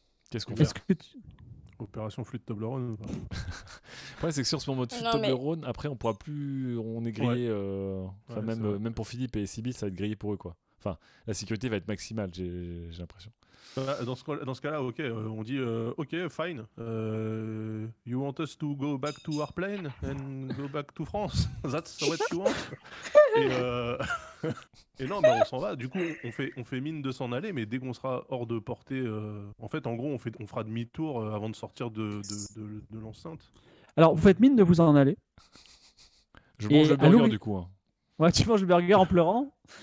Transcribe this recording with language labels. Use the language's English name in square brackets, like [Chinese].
[French] Qu'est-ce qu'on fait? Opération flûte Toblerone. Le problème, c'est que sur ce moment de flûte Toblerone, après, on pourra plus. On est grillé. Ouais. Même pour Philippe et Sybille, ça va être grillé pour eux. Quoi. Enfin, la sécurité va être maximale, j'ai l'impression. Dans ce cas-là, ok, on dit ok, fine. [English] You want us to go back to our plane and go back to France? That's what you want? [French] Et on s'en va. Du coup, on fait mine de s'en aller, mais dès qu'on sera hors de portée, en fait, en gros, on fera demi-tour avant de sortir de l'enceinte. Alors, vous faites mine de vous en aller. Je mange le burger, du coup. Hein. Ouais, tu manges le burger en pleurant.